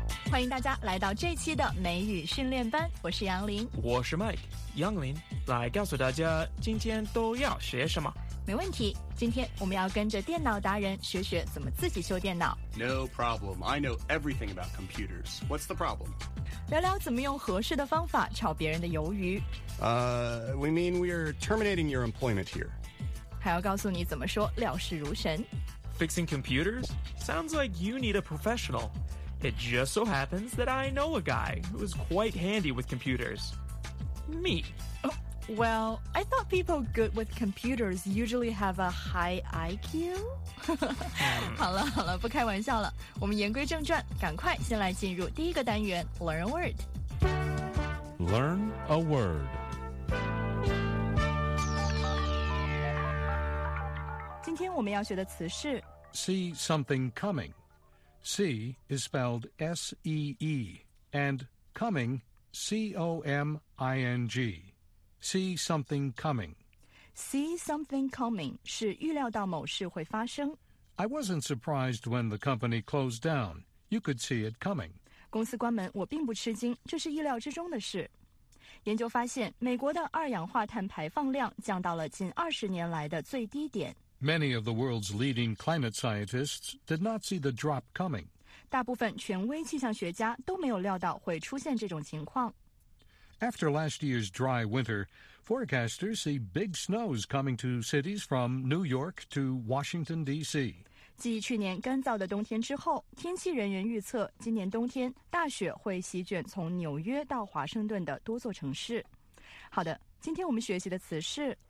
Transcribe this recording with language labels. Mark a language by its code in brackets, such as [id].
[zh] 欢迎大家来到这期的美语训练班，我是杨林，我是 Mike， 杨林来告诉大家今天都要学什么。没问题，今天我们要跟着电脑达人学学怎么自己修电脑。 [en] No problem, I know everything about computers. What's the problem? [zh] 聊聊怎么用合适的方法炒别人的鱿鱼。 [en] We mean we are terminating your employment here. [zh] 还要告诉你怎么说料事如神。 [en] Fixing computers? Sounds like you need a professional. It just so happens that I know a guy who is quite handy with computers. Me. Well, I thought people good with computers usually have a high IQ. [zh] 好了好了，不开玩笑了。我们言归正传，赶快先来进入第一个单元 , [en] Learn a Word. Learn a Word. [zh] 今天我们要学的词是 [en] See something coming. See is spelled S-E-E, and coming, C-O-M-I-N-G. See something coming. [zh] See something coming 是预料到某事会发生。 [en] I wasn't surprised when the company closed down. You could see it coming. [zh] 公司关门，我并不吃惊，这是意料之中的事。研究发现，美国的二氧化碳排放量降到了近二十年来的最低点。 [en] Many of the world's leading climate scientists did not see the drop coming. [zh] 大部分权威气象学家都没有料到会出现这种情况。 [en] After last year's dry winter, forecasters see big snows coming to cities from New York to Washington, D.C. [zh] 继去年干燥的冬天之后，天气人员预测今年冬天大雪会席卷从纽约到华盛顿的多座城市。好的，今天我们学习的词是